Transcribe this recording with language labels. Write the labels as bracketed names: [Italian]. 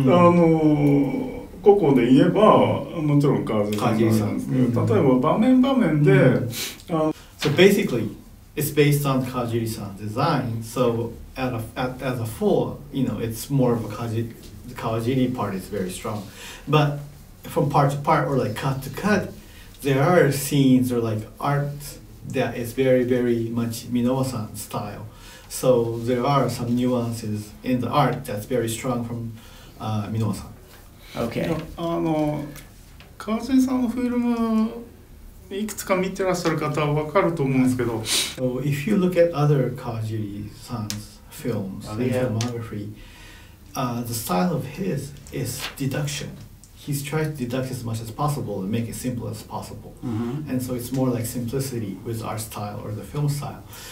[Japanese] ここで言えばもちろんカズさんなんですけど、例えば場面場面で、 mm-hmm. [English] So basically, it's based on Kajiri-san's design. So as a full, you know, it's more of a Kawajiri part is very strong. But from part to part or like cut to cut, there are scenes or like art that is very very much Minowa-san style. So there are some nuances in the art that's very strong from Minowa-san. Okay. [Japanese] あの川尻さんのフィルムいくつか見てらっしゃる方は分かると思うんですけど、 [English] so、If you look at other Kawajiri-san's films and filmography、the style of his is deduction. He's tried to deduct as much as possible and make it simple as possible、 mm-hmm. and so it's more like simplicity with art style or the film style.